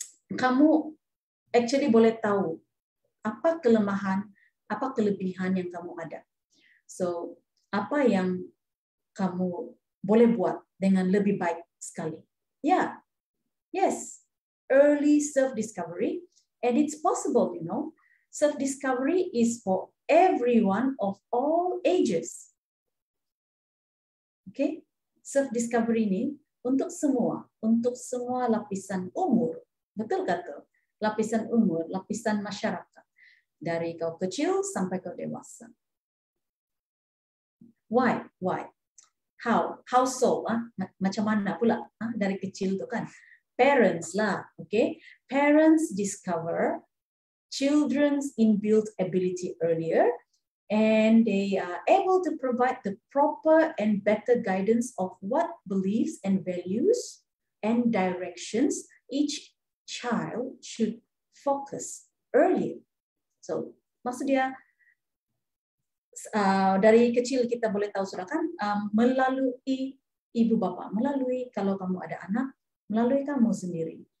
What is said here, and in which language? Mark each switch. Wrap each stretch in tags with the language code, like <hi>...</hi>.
<ms>Kamu actually boleh tahu apa kelemahan, apa kelebihan yang kamu ada. So, apa yang kamu boleh buat dengan lebih baik sekali?</ms> <en>Yeah, yes, early self-discovery, and it's possible, you know. Self-discovery is for everyone of all ages.</en> <ms>Okay, self-discovery ini untuk semua lapisan umur. Betul kan tuh? Lapisan umur, lapisan masyarakat. Dari kau kecil sampai kau dewasa.</ms> <en>Why? Why? How? How so?</en> <ms>Macam mana pula? Dari kecil tuh kan? Parents lah. Okay?</ms> <en>Parents discover children's inbuilt ability earlier and they are able to provide the proper and better guidance of what beliefs and values and directions each child should focus earlier.</en> <ms>So, maksud dia dari kecil kita boleh tahu sudah kan melalui ibu bapa, melalui kalau kamu ada anak, melalui kamu sendiri.</ms>